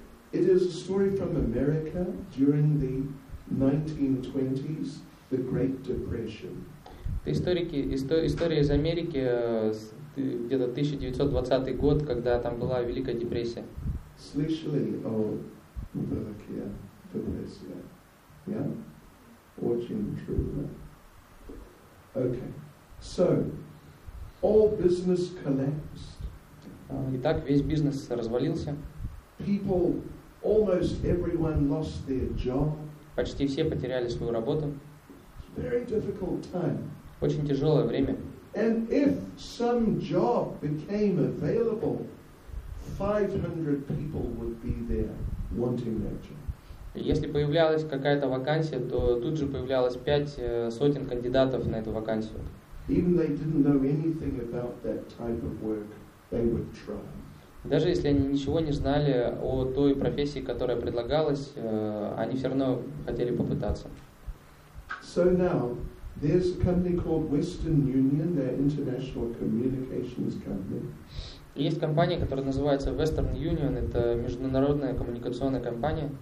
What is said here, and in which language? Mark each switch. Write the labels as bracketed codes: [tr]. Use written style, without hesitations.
[en] It is a story from America during the 1920s, the Great Depression. [ru] Это история из Америки где-то 1920 год, когда там была Великая Депрессия. Слышали о Великой Депрессии? Yeah? Очень трудно. Okay. [en] So, all business collapsed. [ru] Итак, весь бизнес развалился. [en] People, almost everyone lost their job. [ru] Почти все потеряли свою работу. [en] It's very difficult time. [ru] Очень тяжелое время. [en] And if some job became available, 500 people would be there wanting that job. [ru] Если появлялась какая-то вакансия, то тут же появлялось 500 кандидатов на эту вакансию. [en] Even they didn't know anything about that type of work. They would try. [ru] Даже если они ничего не знали о той профессии, которая предлагалась, они все равно хотели попытаться. [en] So now, there's a company called Western Union, their international communications company. [ru] Есть компания, которая называется Western Union, это международная коммуникационная компания.